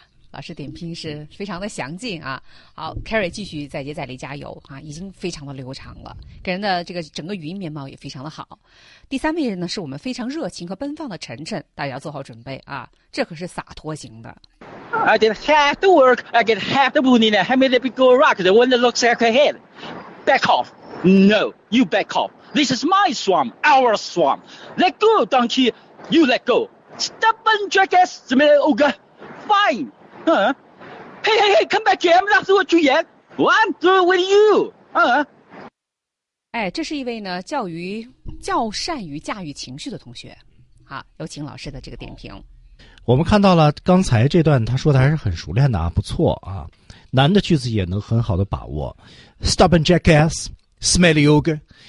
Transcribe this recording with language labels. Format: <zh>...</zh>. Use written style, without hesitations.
<zh>啊，老师点评是非常的详尽啊。好 ，Carrie 继续再接再厉加油啊，已经非常的流畅了，给人的这个整个语音面貌也非常的好。第三位呢，是我们非常热情和奔放的晨晨，大家要做好准备啊，这可是洒脱型的。</zh> <en>I did half the work, I get half the booty, and I made the big girl rock, the one that looks like a head. Back off. No, you back off. This is my swamp, our swamp. Let go, donkey. You let go. Stubborn jackass, the middle ogre. Fine. Huh? Hey, hey, hey, come back here. I'm not through with you yet. Well, I'm through with you. Huh?</en> <zh>哎，这是一位呢较善于驾驭情绪的同学，好，有请老师的这个点评。我们看到了刚才这段，他说的还是很熟练的啊，不错啊，难的句子也能很好的把握。</zh> <en>Stubborn jackass, smelly ogre。</en>